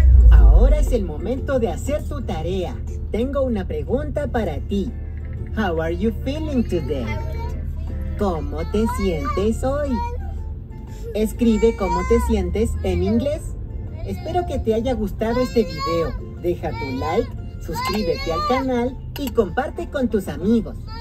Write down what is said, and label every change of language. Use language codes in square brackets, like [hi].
[es] Ahora es el momento de hacer tu tarea. Tengo una pregunta para ti. [en] How are you feeling today? [es] ¿Cómo te sientes hoy? Escribe cómo te sientes en inglés. Espero que te haya gustado este video. Deja tu like, suscríbete al canal y comparte con tus amigos.